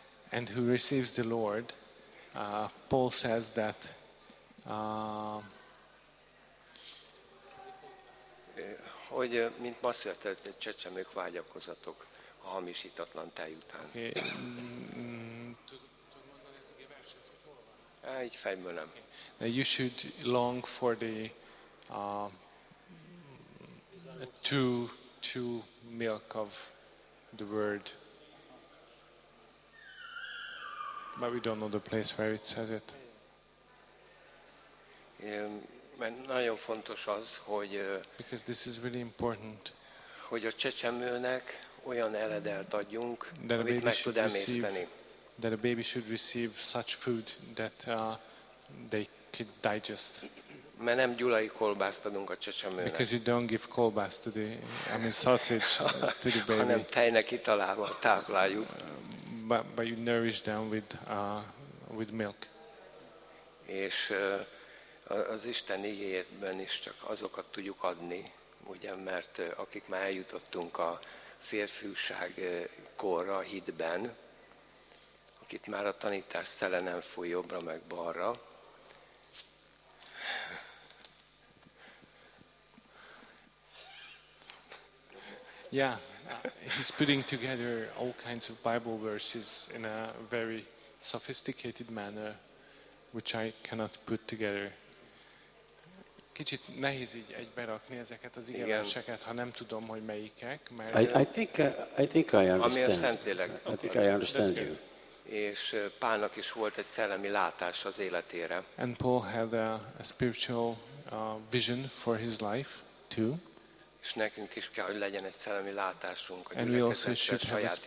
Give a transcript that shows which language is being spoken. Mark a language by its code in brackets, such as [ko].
[en] And who receives the Lord, Paul says that [hu] hogy mint ma született csecsemők vágyakozatok a hamisítatlan tej után. [en] Okay. [hu] Tudod mondani ezt a verset, hogy hol van? Így fejből nem. [en] Okay. You should long for the true milk of the word. But we don't know the place where it says it. [hu] Mert nagyon fontos az, hogy [en] because this is really important, [hu] hogy a csecsemőnek olyan eledelt adjunk, amit meg tud emészteni. [en] That a baby should receive such food that they could digest. [hu] Mert nem gyulai kolbászt adunk a csecsemőnek. [en] Because you don't give kolbász to the, I mean sausage to the baby. [hu] Hanem tejnek italával tápláljuk. [en] But you nourish them with milk. [hu] És az Isten igéjében is csak azokat tudjuk adni, ugye, mert akik már eljutottunk a férfiúság korra, hitben, akit már a tanítás szele nem foly jobbra meg balra. [en] Yeah, he's putting together all kinds of Bible verses in a very sophisticated manner, which I cannot put together. [hu] Kicsit nehéz így egyberakni ezeket az igeverseket, ha nem tudom, hogy melyikek. Mert [en] I think I understand. [hu] Ami a Szentlélek. [en] I think I understand you. [hu] És Pálnak is volt egy szellemi látás az életére. [en] And Paul had a spiritual vision for his life too. [hu] És nekünk is kell, hogy legyen egy szellemi látásunk a gyülekezetre, saját életünkre.